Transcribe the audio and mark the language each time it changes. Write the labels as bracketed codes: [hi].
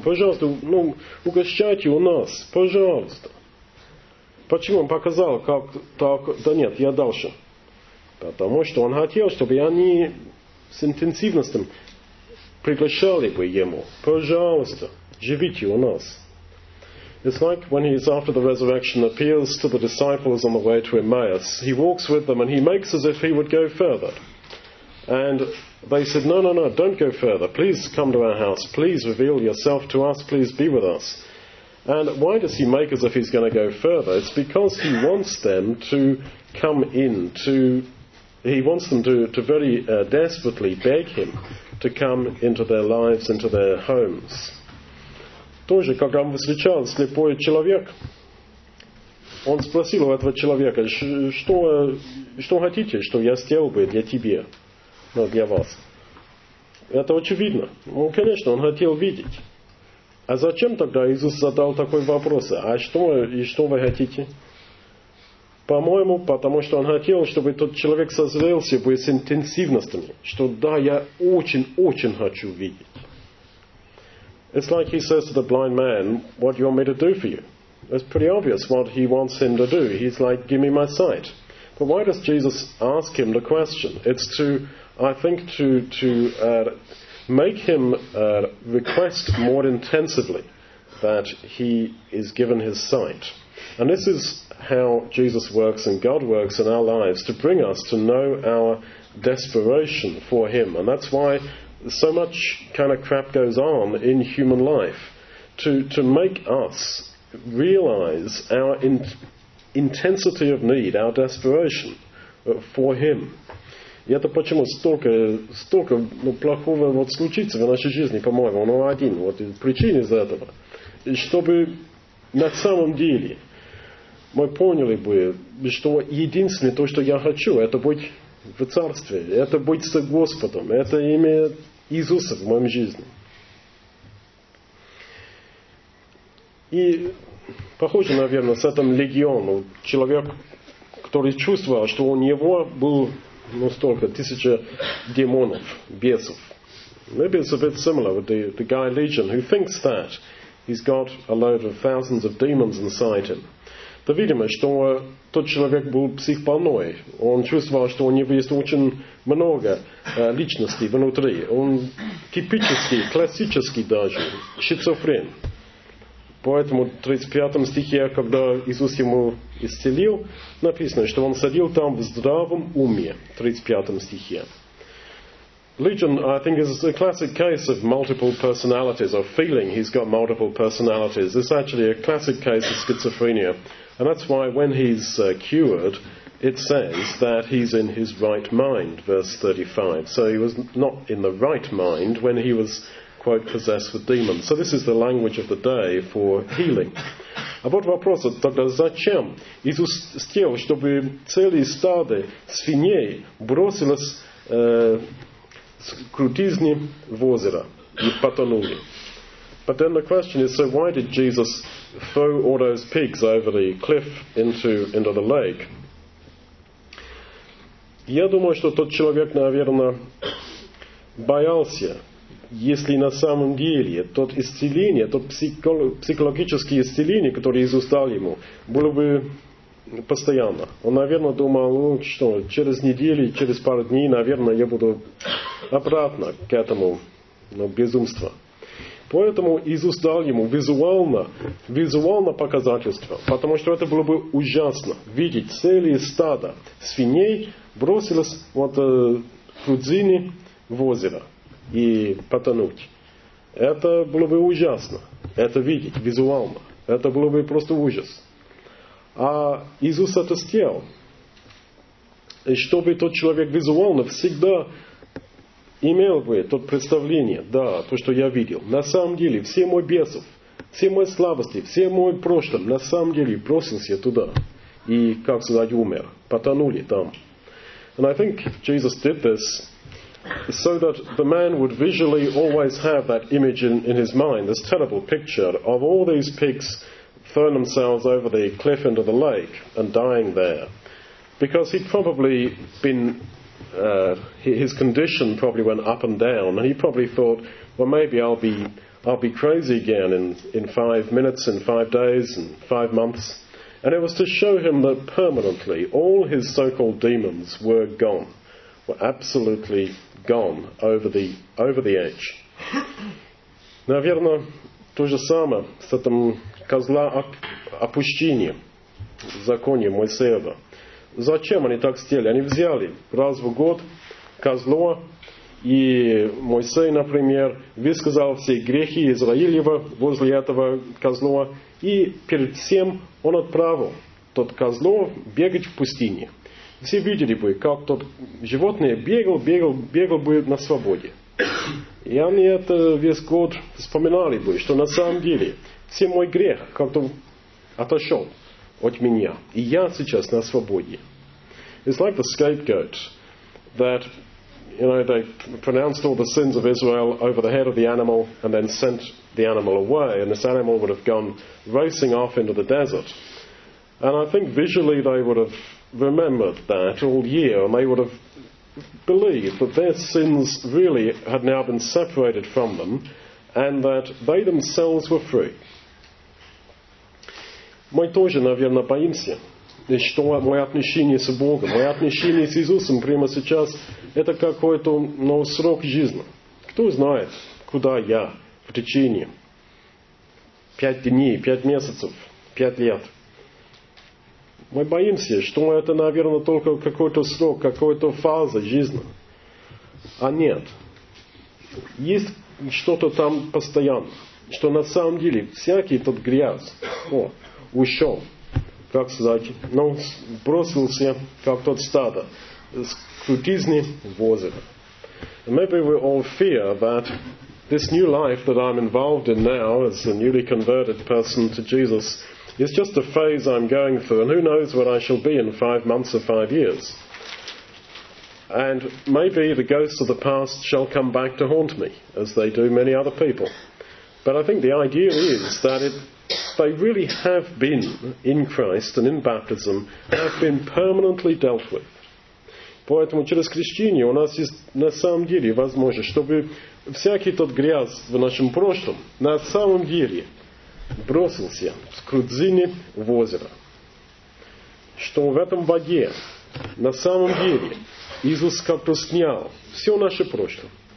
[ru] Пожалуйста, ну, угощайте у нас. Пожалуйста. Почему Он показал, как так? Да нет, я дальше. Потому что Он хотел, чтобы они с интенсивностью приглашали бы Ему. Пожалуйста, живите у нас. [en] It's like when He is after the resurrection appears to the disciples on the way to Emmaus. He walks with them and He makes as if He would go further. And they said, no, no, no, don't go further. Please come to our house. Please reveal yourself to us. Please be with us. And why does He make as if He's going to go further? It's because He wants them to come in. He wants them to very desperately beg Him to come into their lives, into their homes. [ru] Тоже, когда он встречал слепой человек, он спросил у этого человека, что хотите, что я сделал бы для тебя? Но для вас. Это очевидно. Ну, конечно, он хотел видеть. А зачем тогда Иисус задал такой вопрос? А что и что вы хотите? По-моему, потому что он хотел, чтобы тот человек созрелся бы с интенсивностями. Что да, я очень-очень хочу видеть. [en] It's like he says to the blind man, what do you want me to do for you? It's pretty obvious what he wants him to do. He's like, give me my sight. But why does Jesus ask him the question? It's to, I think, to make him request more intensively that he is given his sight. And this is how Jesus works and God works in our lives, to bring us to know our desperation for Him. And that's why so much kind of crap goes on in human life, to make us realize our intensity of need, our desperation for Him. [ru] И это почему столько ну, плохого вот случится в нашей жизни, по-моему, но один вот причин из этого. И чтобы на самом деле мы поняли бы, что единственное то, что я хочу, это быть в Царстве, это быть с Господом, это имя Иисуса в моем жизни. И похоже, наверное, с этим легионом, человек, который чувствовал, что у него был ну, столько, тысяча демонов, бесов. [en] Maybe it's a bit similar with the guy Legion, who thinks that he's got a load of thousands of demons inside him. [ru] Да, видимо, что тот человек был психбольной. Он чувствовал, что у него есть очень много личностей внутри. Он типический, классический даже, шизофрен. Поэтому в 35 стихе, когда Иисус ему исцелил, написано, что он сидел там в здравом уме. 35 стихе. [en] Legion, I think, is a classic case of multiple personalities, of feeling he's got multiple personalities. It's actually a classic case of schizophrenia. And that's why when he's cured, it says that he's in his right mind, verse 35. So he was not in the right mind when he was quote, possessed with demons. So this is the language of the day for healing. [ru] А вот вопрос, тогда зачем Иисус сделал, чтобы целые стады свиней бросились с крутизни в озеро и потонули? [en] But then the question is, so why did Jesus throw all those pigs over the cliff into the lake? [ru] Я думаю, что тот человек, наверное, боялся. Если на самом деле тот исцеление, тот психологическое исцеление, которое Иисус дал ему, было бы постоянно. Он, наверное, думал, ну что, через неделю, через пару дней, наверное, я буду обратно к этому, ну, безумству. Поэтому Иисус дал ему визуально показательство, потому что это было бы ужасно видеть целые стада свиней бросились вот в кузине в озеро и потонуть. Это было бы ужасно, это видеть визуально. Это было бы просто ужас. А Иисус это сделал, чтобы тот человек визуально всегда имел бы то представление, да, то, что я видел. На самом деле, все мои бесы, все мои слабости, все мои прошлое, на самом деле, бросился туда. И, как сказать, умер. Потонули там. [en] And I think Jesus did this so that the man would visually always have that image in his mind, this terrible picture of all these pigs throwing themselves over the cliff into the lake and dying there. Because he'd probably been... His condition probably went up and down, and he probably thought, "Well, maybe I'll be crazy again in 5 minutes, in 5 days, in 5 months." And it was to show him that permanently all his so-called demons were gone, were absolutely gone over the edge. [ru] Наверное, то же самое с этим козла опущения в законе Моисеева. Зачем они так сделали? Они взяли раз в год козло, и Моисей, например, высказал все грехи Израилева возле этого козла, и перед всем он отправил тот козло бегать в пустыне. Все видели бы, как тот животное бегал бы на свободе. И они это весь год вспоминали бы, что на самом деле все мой грех как-то отошел от меня, и я сейчас на свободе. [en] It's like the scapegoat that, you know, they pronounced all the sins of Israel over the head of the animal and then sent the animal away, and this animal would have gone racing off into the desert. And I think visually they would have remembered that all year, and they would have believed that their sins really had now been separated from them and that they themselves were free. [ru] Мы тоже, наверное, боимся. И что мое отношение с Богом, мое отношение с Иисусом прямо сейчас, это какой-то срок жизни. Кто знает, куда я в течение 5 дней, 5 месяцев, 5 лет. Мы боимся, что это, наверное, только какой-то срок, какой-то фаза жизни. А нет. Есть что-то там постоянно, что на самом деле всякий тот грязь ушел. Как сказать, бросился, как тот стадо, с крутизни в озеро. [en] And maybe we all fear that this new life that I'm involved in now as a newly converted person to Jesus is just a phase I'm going through, and who knows what I shall be in 5 months or 5 years. And maybe the ghosts of the past shall come back to haunt me, as they do many other people. But I think the idea is that they really have been in Christ and in baptism, have been permanently dealt with. [ru] Поэтому через крещение у нас есть на самом деле возможность, чтобы всякий тот грязь в нашем прошлом на самом деле бросился в крудзине в озеро. Что в этом воде на самом деле Иисус как-то снял все наше прошлое.